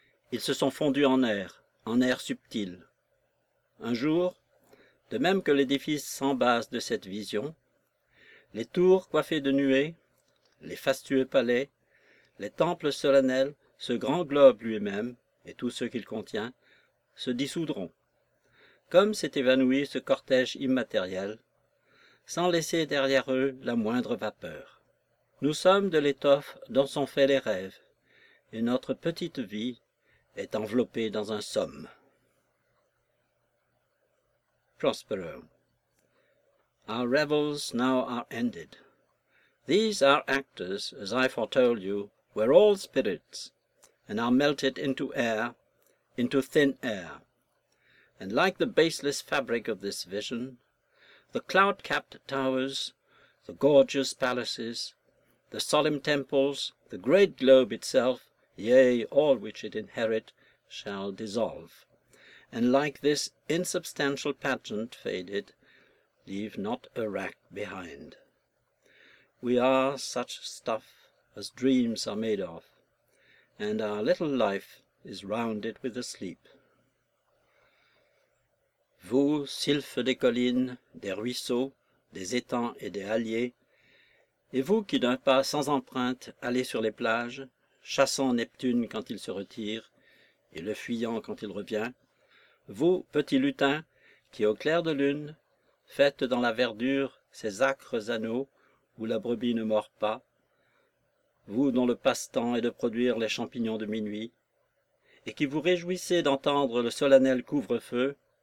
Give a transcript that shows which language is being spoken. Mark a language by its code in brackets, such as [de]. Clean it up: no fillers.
[fr] Ils se sont fondus en air subtil. Un jour, de même que l'édifice s'embase de cette vision, les tours coiffées de nuées, les fastueux palais, les temples solennels, ce grand globe lui-même et tous ceux qu'il contient, se dissoudront, comme s'est évanoui ce cortège immatériel, sans laisser derrière eux la moindre vapeur. Nous sommes de l'étoffe dont sont faits les rêves, et notre petite vie est enveloppé dans un somme. Prospero. [en] Our revels now are ended. These are actors, as I foretold you, were all spirits, and are melted into air, into thin air. And like the baseless fabric of this vision, the cloud-capped towers, the gorgeous palaces, the solemn temples, the great globe itself, yea, all which it inherit, shall dissolve, and like this insubstantial pageant faded, leave not a rack behind. We are such stuff as dreams are made of, and our little life is rounded with a sleep. [fr] Vous, sylphes des collines, des ruisseaux, des étangs et des halliers, et vous qui d'un pas sans empreinte allez sur les plages, chassant Neptune quand il se retire, et le fuyant quand il revient, vous, petits lutins, qui au clair de lune, faites dans la verdure ces âcres anneaux où la brebis ne mord pas, vous dont le passe-temps est de produire les champignons de minuit, et qui vous réjouissez d'entendre le solennel couvre-feu,